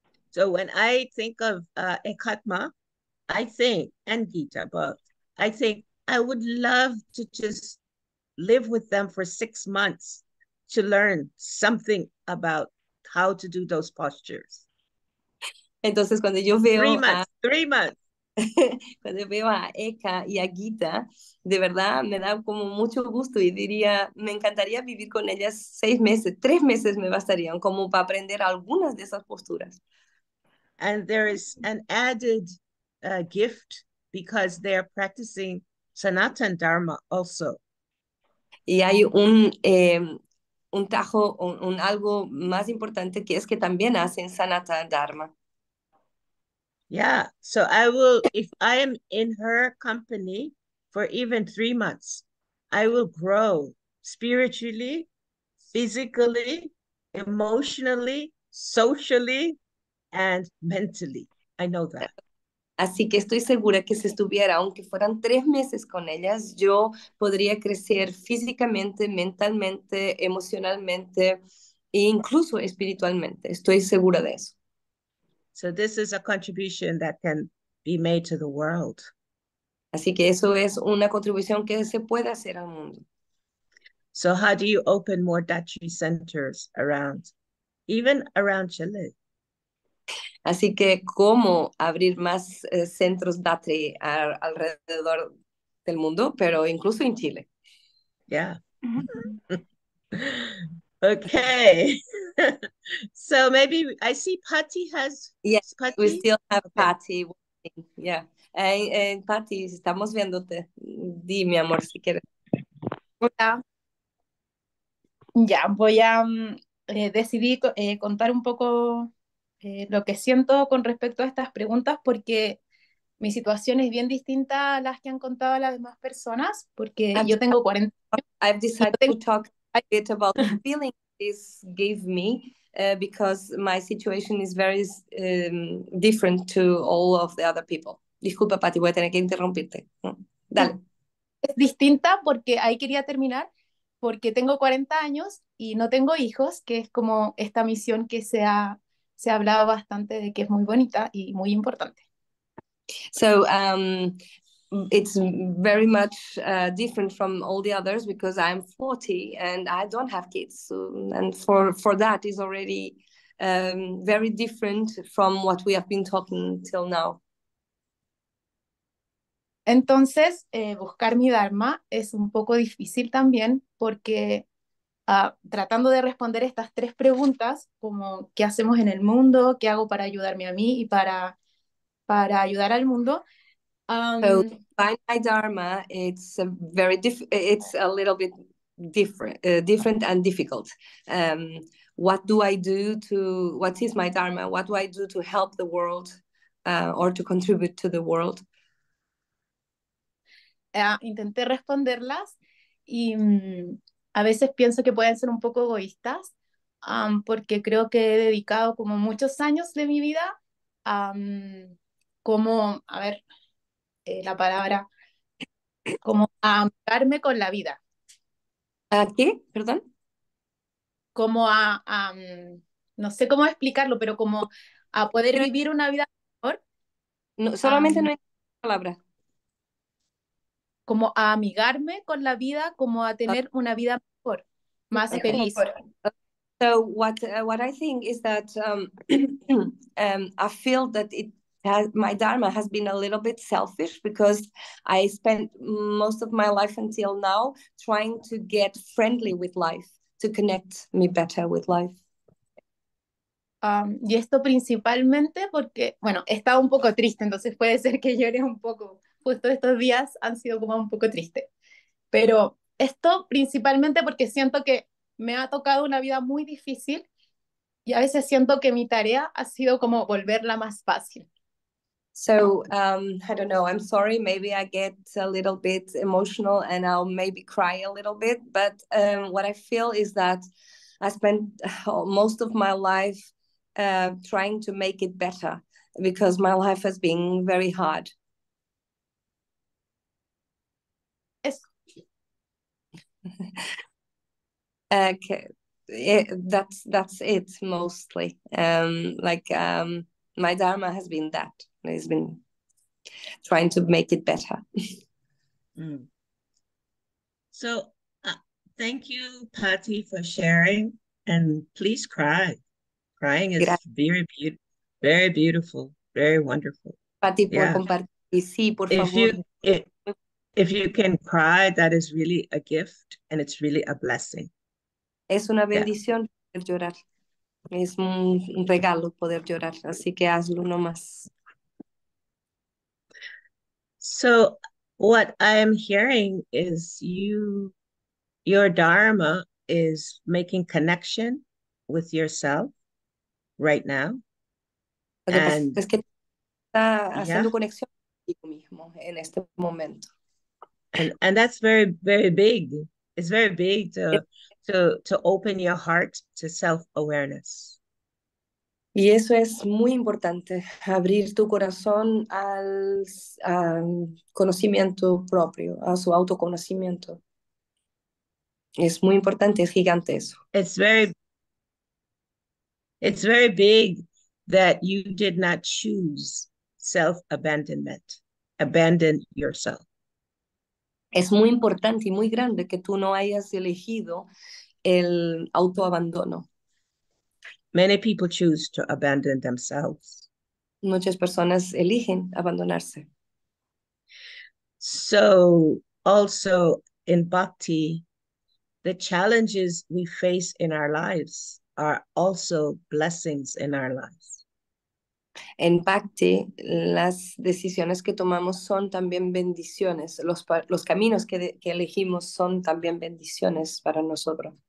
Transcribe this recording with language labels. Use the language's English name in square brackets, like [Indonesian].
[English] So when I think of Ekatma, I think, and Gita both, I think I would love to just live with them for 6 months to learn something about how to do those postures. [Spanish] Entonces cuando yo veo [English] three months. [Spanish] Cuando veo a Eka y a Gita, de verdad me da como mucho gusto y diría, me encantaría vivir con ellas 6 meses, 3 meses me bastarían como para aprender algunas de esas posturas. [English] And there is an added gift because they're practicing Sanatan Dharma also. [Spanish] Y hay un un tajo, un algo más importante, que es que también hacen Sanatan Dharma. [English] Yeah, so I will, if I am in her company for even 3 months, I will grow spiritually, physically, emotionally, socially, and mentally. I know that. [Spanish] Así que estoy segura que si estuviera, aunque fueran 3 meses con ellas, yo podría crecer físicamente, mentalmente, emocionalmente, e incluso espiritualmente. Estoy segura de eso. [English] So this is a contribution that can be made to the world. [Spanish] Así que eso es una contribución que se puede hacer al mundo. [English] So how do you open more Dachi centers around, even around Chile? [Spanish] Así que, ¿cómo abrir más centros Dachi alrededor del mundo, pero incluso en Chile? [English] Yeah. Okay. So maybe I see Patty has... Yes, Patty? We still have Patty. Yeah. Hey, Patty, [Spanish] estamos viéndote. Di, mi amor, si quieres. Hola. Ya, voy a... decidí contar un poco... lo que siento con respecto a estas preguntas, porque mi situación es bien distinta a las que han contado las demás personas, porque yo tengo 40 años. [English] I've decided to talk a bit about the feeling this gave me, because my situation is very different to all of the other people. [Spanish] Disculpa, Patty, voy a tener que interrumpirte. Dale. Es distinta porque ahí quería terminar, porque tengo 40 años y no tengo hijos, que es como esta misión que se ha... se ha hablado bastante de que es muy bonita y muy importante. [English] So it's very much different from all the others because I'm 40 and I don't have kids. So, and for that is already very different from what we have been talking till now. [Spanish] Entonces, buscar mi Dharma es un poco difícil también porque... tratando de responder estas tres preguntas, como qué hacemos en el mundo, qué hago para ayudarme a mí y para ayudar al mundo. [English] So, find my Dharma, it's a very it's a little bit different and difficult. What do I do to, what is my Dharma? What do I do to help the world or to contribute to the world? [Spanish] Intenté responderlas y... a veces pienso que pueden ser un poco egoístas, porque creo que he dedicado como muchos años de mi vida a como, a ver, la palabra, como a amigarme con la vida. ¿A qué? ¿Perdón? Como a no sé cómo explicarlo, pero como a poder vivir una vida mejor. No, solamente no hay palabra. Como a amigarme con la vida, como a tener una vida mejor. [English] So what I think is that I feel that it has, my Dharma has been a little bit selfish because I spent most of my life until now trying to get friendly with life, to connect me better with life. [Spanish] Y esto principalmente porque, bueno, he estado un poco triste, entonces puede ser que llore un poco. Justo estos días han sido como un poco triste, pero... esto principalmente porque siento que me ha tocado una vida muy difícil y a veces siento que mi tarea ha sido como volverla más fácil. [English] So, I don't know, I'm sorry, maybe I get a little bit emotional and I'll maybe cry a little bit, but what I feel is that I spent most of my life trying to make it better because my life has been very hard. Okay, that's it mostly. My Dharma has been that. It's been trying to make it better. So, thank you, Patty, for sharing. And please cry. Crying is very beautiful, very wonderful. [Spanish] Patty, [English] yeah. [Spanish] Por compartir. Sí, por [English] if [Spanish] favor. [English] You, if you can cry, that is really a gift and it's really a blessing. [Spanish] Es una bendición poder llorar. Es un regalo poder llorar. Así que hazlo nomás. [English] So what I am hearing is your Dharma is making connection with yourself right now. And, [Spanish] es que está haciendo conexión conmigo mismo en este momento. [English] And that's very, very big. It's very big to open your heart to self-awareness. [Spanish] Y eso es muy importante, abrir tu corazón al conocimiento propio, a su autoconocimiento. Es muy importante, es gigante eso. [English] It's very big that you did not choose self-abandonment, abandon yourself. [Spanish] Es muy importante y muy grande que tú no hayas elegido el autoabandono. [English] Many people choose to abandon themselves. [Spanish] Muchas personas eligen abandonarse. [English] So, also in bhakti, the challenges we face in our lives are also blessings in our lives. [Spanish] En bhakti, las decisiones que tomamos son también bendiciones. Los caminos que elegimos son también bendiciones para nosotros.